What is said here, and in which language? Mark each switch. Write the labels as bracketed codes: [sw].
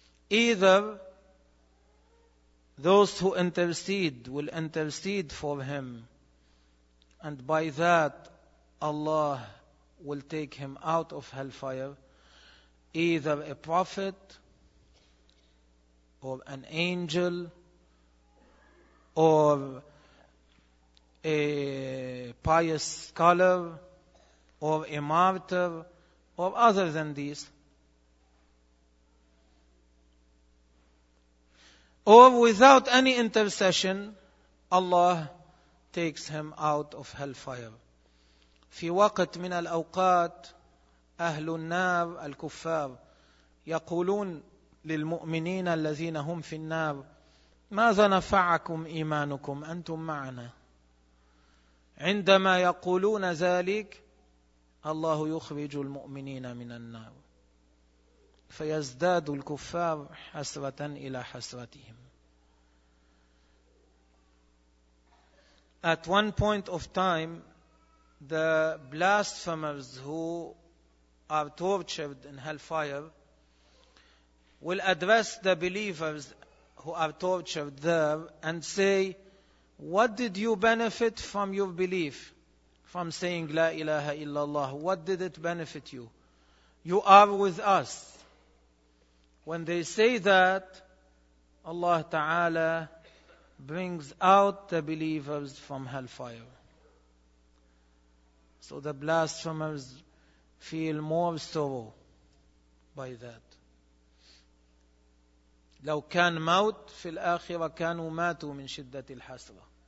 [en] Either those who intercede will intercede for him and by that Allah will take him out of hellfire, either a prophet or an angel or a pious scholar or a martyr or other than these, or without any intercession Allah takes him out of hellfire. [ar] في وقت من الأوقات أهل النار الكفار يقولون للمؤمنين الذين هم في النار ماذا نفعكم إيمانكم أنتم معنا؟ عندما يقولون ذلك الله يخرج المؤمنين من النار فيزداد الكفار حسرة إلى حسرتهم. [en] At one point of time, the blasphemers who are tortured in hellfire will address the believers who are tortured there and say, what did you benefit from your belief, from saying La ilaha illallah? What did it benefit you? You are with us. When they say that, Allah Ta'ala brings out the believers from hellfire. So the blasphemers feel more sorrow by that. [ar] لو كان موت في الآخرة كانوا ماتوا من شدة الحسرة.